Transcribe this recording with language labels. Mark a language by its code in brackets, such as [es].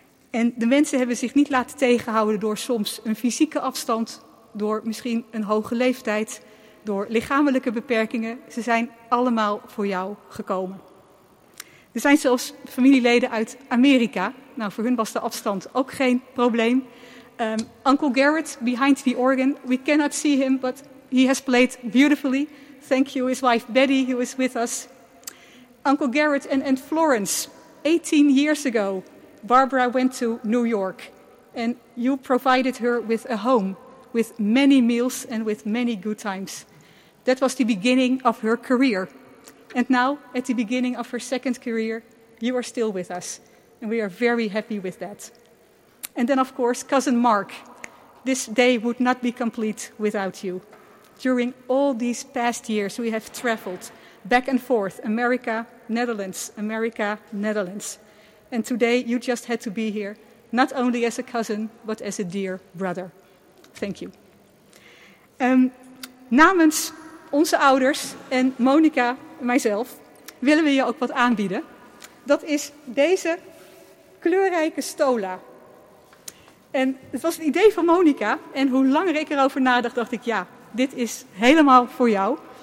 [nl] En de mensen hebben zich niet laten tegenhouden door soms een fysieke afstand. Door misschien een hoge leeftijd. Door lichamelijke beperkingen. Ze zijn allemaal voor jou gekomen. Er zijn zelfs familieleden uit Amerika. Nou, voor hun was de afstand ook geen probleem. [en] Uncle Garrett, behind the organ. We cannot see him, but he has played beautifully. Thank you, his wife Betty, who is with us. Uncle Garrett and Aunt Florence, 18 years ago, Barbara went to New York. And you provided her with a home, with many meals and with many good times. That was the beginning of her career. And now, at the beginning of her second career, you are still with us. And we are very happy with that. And then, of course, cousin Mark. This day would not be complete without you. During all these past years, we have traveled back and forth. America, Netherlands, America, Netherlands. And today, you just had to be here, not only as a cousin, but as a dear brother. Thank you. [nl] Namens onze ouders en Monica, mijzelf, willen we je ook wat aanbieden. Dat is deze kleurrijke stola. En het was het idee van Monica. En hoe langer ik erover nadacht, dacht ik, ja, dit is helemaal voor jou.